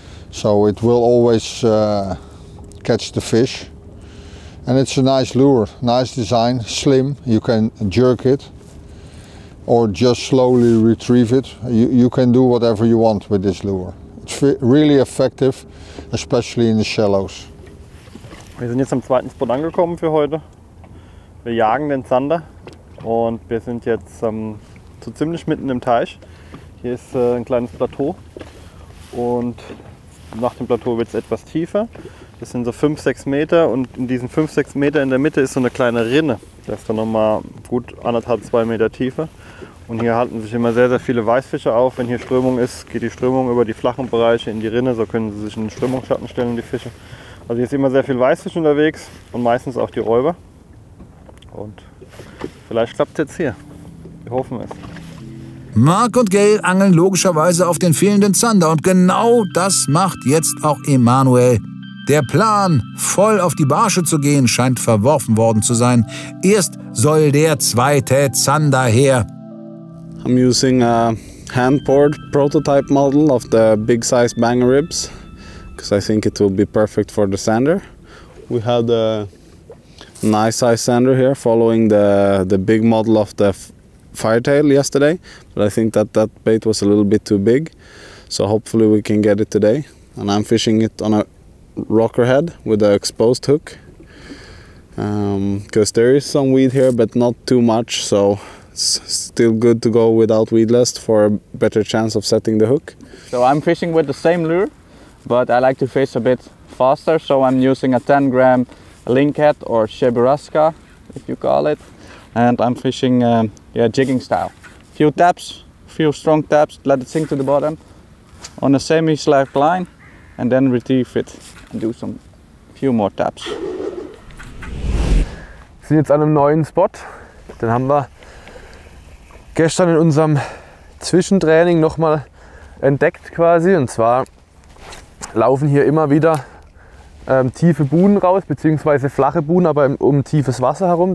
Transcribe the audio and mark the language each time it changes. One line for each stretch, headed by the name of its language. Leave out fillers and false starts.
English: So it will always catch the fish. And it's a nice lure, nice design, slim. You can jerk it or just slowly retrieve it. You can do whatever you want with this lure. It's really effective, especially in the shallows.
German: Wir sind jetzt am zweiten Spot angekommen für heute. Wir jagen den Zander und wir sind jetzt so ziemlich mitten im Teich. Hier ist ein kleines Plateau und nach dem Plateau wird es etwas tiefer. Das sind so 5-6 Meter und in diesen 5-6 Meter in der Mitte ist so eine kleine Rinne. Das ist dann nochmal gut 1,5-2 Meter tiefer. Und hier halten sich immer sehr, sehr viele Weißfische auf. Wenn hier Strömung ist, geht die Strömung über die flachen Bereiche in die Rinne. So können sie sich in den Strömungsschatten stellen, die Fische. Also hier ist immer sehr viel Weißfisch unterwegs und meistens auch die Räuber. Und vielleicht klappt es jetzt hier. Wir hoffen es. Mark und Gail angeln logischerweise auf den fehlenden Zander. Und genau das macht jetzt auch Emanuel. Der Plan, voll auf die Barsche zu gehen, scheint verworfen worden zu sein. Erst soll der zweite Zander her.
English: I'm using a hand-poured prototype model of the big size banger ribs because I think it will be perfect for the sander. We had a nice size sander here following the big model of the firetail yesterday, but I think that bait was a little bit too big. So hopefully we can get it today. And I'm fishing it on a rocker head with an exposed hook. Because there is some weed here, but not too much. So it's still good to go without weed list for a better chance of setting the hook. So I'm fishing with the same lure, but I like to fish a bit faster. So I'm using a 10 gram linkhead or cheburasca, if you call it. And I'm fishing jigging style. Few taps, few strong taps, let it sink to the bottom on a semi-slack line, and then retrieve it and do some few more taps.
German: Wir sind jetzt an einem neuen Spot. Den haben wir gestern in unserem Zwischentraining nochmal entdeckt quasi. Und zwar laufen hier immer wieder tiefe Buhnen raus, beziehungsweise flache Buhnen, aber um tiefes Wasser herum.